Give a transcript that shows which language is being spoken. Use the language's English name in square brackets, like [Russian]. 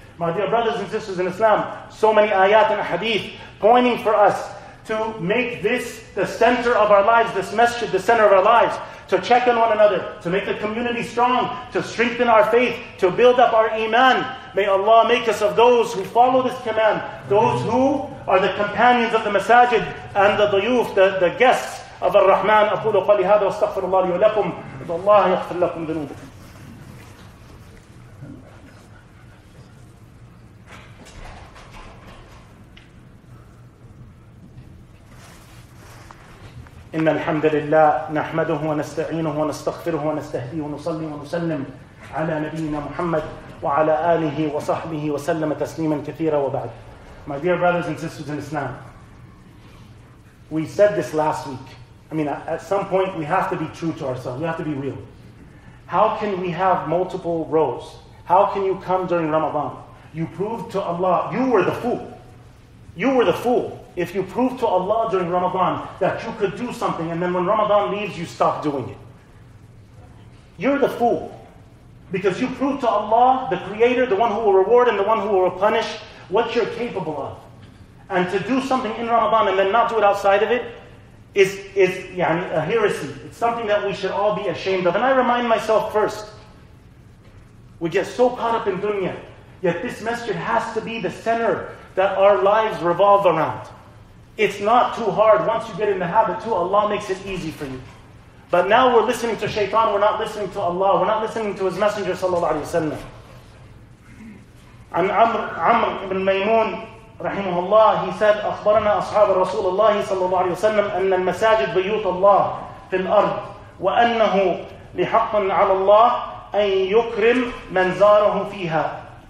[English] My dear brothers and sisters in Islam, so many ayat and hadith pointing for us to make this the center of our lives, this masjid the center of our lives, to check on one another, to make the community strong, to strengthen our faith, to build up our iman. May Allah make us of those who follow this command, those who are the companions of the masajid and the dayuf, the guests of Ar-Rahman. [Arabic] أقول قولي هذا واستغفر الله لي ولكم والله يغفر لكم ذنوبكم. إن الحمد لله نحمده ونستعينه ونستغفره ونستهديه ونصلي ونسلم على نبينا محمد وعلى آله وصحبه وسلم تسليما كثيرا وبعد. [English] My dear brothers and sisters in Islam, we said this last week. I mean, at some point we have to be true to ourselves. We have to be real. How can we have multiple roles? How can you come during Ramadan? You proved to Allah you were the fool. You were the fool if you prove to Allah during Ramadan that you could do something, and then when Ramadan leaves, you stop doing it. You're the fool. Because you prove to Allah, the Creator, the one who will reward and the one who will punish, what you're capable of. And to do something in Ramadan and then not do it outside of it, is yani, a heresy. It's something that we should all be ashamed of. And I remind myself first, we get so caught up in dunya, yet this masjid has to be the center that our lives revolve around. It's not too hard. Once you get in the habit too, Allah makes it easy for you. But now we're listening to shaitan, we're not listening to Allah, we're not listening to His Messenger sallallahu alayhi wa sallam. An Amr ibn Maymun rahimahullah, he said, [Arabic] أخبرنا أصحاب رسول الله صلى الله عليه وسلم أن المساجد بيوت الله في الأرض وأنه لحق على الله أن يكرم من زاره فيها.